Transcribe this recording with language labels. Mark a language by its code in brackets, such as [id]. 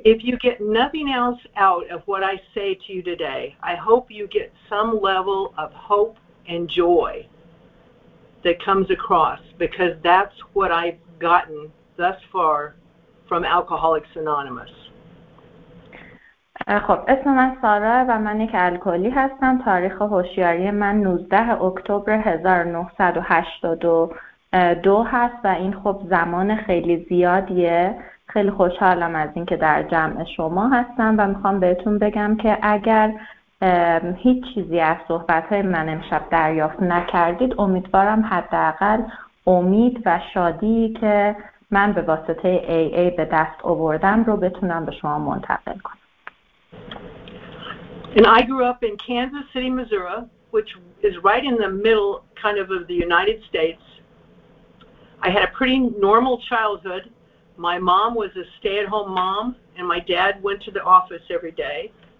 [en] If you get nothing else out of what I say to you today, I hope you get some level of hope and joy that comes across, because that's what I've gotten thus far from Alcoholics Anonymous. [fa] خب اسم من سارا و من یک الکلی هستم. تاریخ هوشیاری من 19 اکتبر 1982 هست و این خب زمان خیلی زیادیه. خیلی خوشحالم از اینکه در جمع شما هستم و میخوام بهتون بگم که اگر هیچ چیزی از صحبت‌های من امشب دریافت نکردید، امیدوارم حداقل امید و شادی که من به واسطه AA به دست آوردم رو بتونم به شما منتقل کنم. [en] And I grew up in Kansas City, Missouri, which is right in the middle kind of the United States. I had a pretty normal childhood. My mom was a stay-at-home mom, and my dad went to the office every day.